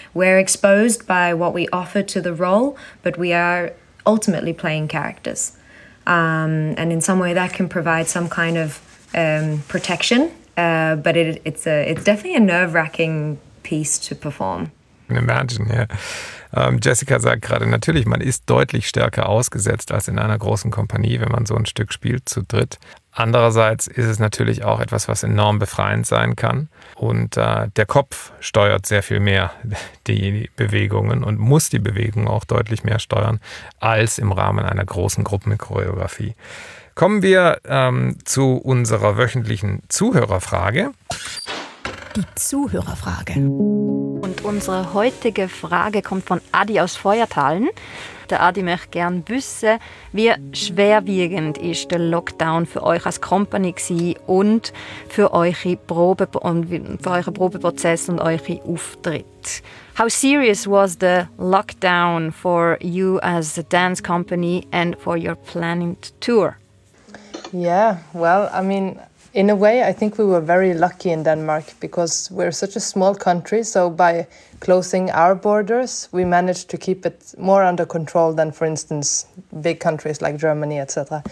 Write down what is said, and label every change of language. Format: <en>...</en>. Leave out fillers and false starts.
<en>We're exposed by what we offer to the role, but we are ultimately playing characters. And in some way that can provide some kind of protection, but it's definitely a nerve-wracking piece to perform. Imagine, ja.</en> <de>Jessica sagt gerade, natürlich, man ist deutlich stärker ausgesetzt als in einer großen Kompanie, wenn man so ein Stück spielt zu dritt. Andererseits ist es natürlich auch etwas, was enorm befreiend sein kann. Und der Kopf steuert sehr viel mehr die Bewegungen und muss die Bewegung auch deutlich mehr steuern als im Rahmen einer großen Gruppenchoreografie. Kommen wir zu unserer wöchentlichen Zuhörerfrage. Die Zuhörerfrage. Und unsere heutige Frage kommt von Adi aus Feuertalen. Der Adi möchte gerne wissen, wie schwerwiegend ist der Lockdown für euch als Company und für eure Probe und für euren Probeprozess und eure Auftritte?</de> <en>How serious was the lockdown for you as a dance company and for your planned tour? Yeah, well, I mean, in a way, I think we were very lucky in Denmark because we're such a small country. So by closing our borders, we managed to keep it more under control than, for instance, big countries like Germany, etc.</en>